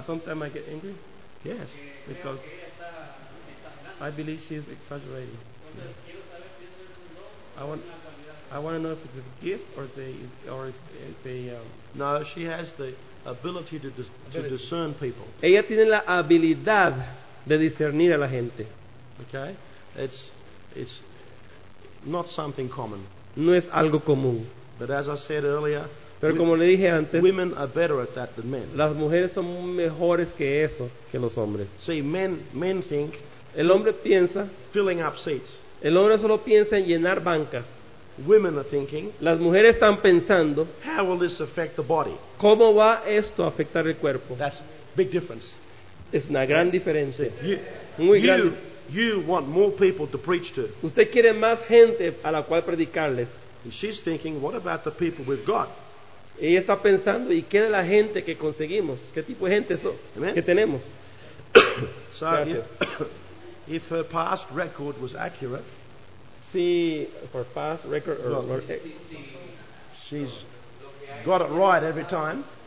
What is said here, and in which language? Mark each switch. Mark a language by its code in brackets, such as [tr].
[en] Sometimes I get angry. Yes. Because I believe she is exaggerating. I want to know if it's a gift or if they No, she has the ability to discern people. [es] Ella tiene la habilidad de discernir a la gente. [en] Okay? It's not something common. [es] No es algo común. [en] But as I said earlier, [es] pero como le dije antes, [en] women are better at that than men. [es] Las mujeres son mejores que eso, que los hombres. [en] See, men think. [es] El hombre piensa [en] filling up seats. [es] El hombre solo piensa en llenar bancas. [en] Women are thinking. [es] Las mujeres están pensando. [en] How will this affect the body? [es] ¿Cómo va esto a afectar el cuerpo? [en] That's big difference. [es] Es una gran diferencia. [en] See, you, [es] muy [en] you, [es] grande. [en] You want more people to preach to. [es] Usted quiere más gente a la cual predicarles. [en] And she's thinking, what about the people we've got? [es] Ella está pensando, ¿y qué de la gente que conseguimos? ¿Qué tipo de gente es que tenemos? [en] So if her past record was accurate, si her past record she's got it right every time.